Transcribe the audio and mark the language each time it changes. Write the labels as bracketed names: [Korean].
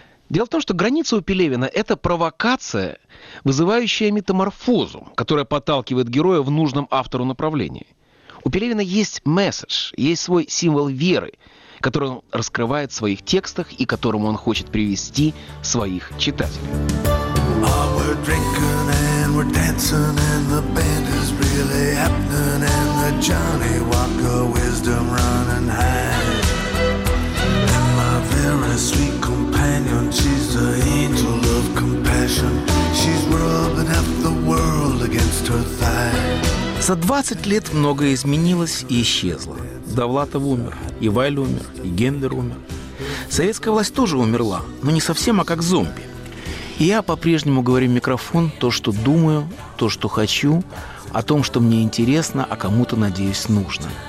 [Russian] Дело в том, что граница у Пелевина – это провокация, вызывающая метаморфозу, которая подталкивает героя в нужном автору направлении. У Пелевина есть месседж, есть свой символ веры, который он раскрывает в своих текстах и которому он хочет привести своих читателей. [English] We're drinking and we're dancing and the band is really happening and the Johnny Walker wisdom running high. And my very sweet companion, she's the angel of compassion. She's rubbing up the world against her thigh. [Russian] За 20 лет многое изменилось и исчезло. Довлатов умер, и Валь умер, и Гендер умер. Советская власть тоже умерла, но не совсем, а как зомби. И я по-прежнему говорю в микрофон то, что думаю, то, что хочу, о том, что мне интересно, а кому-то, надеюсь, нужно.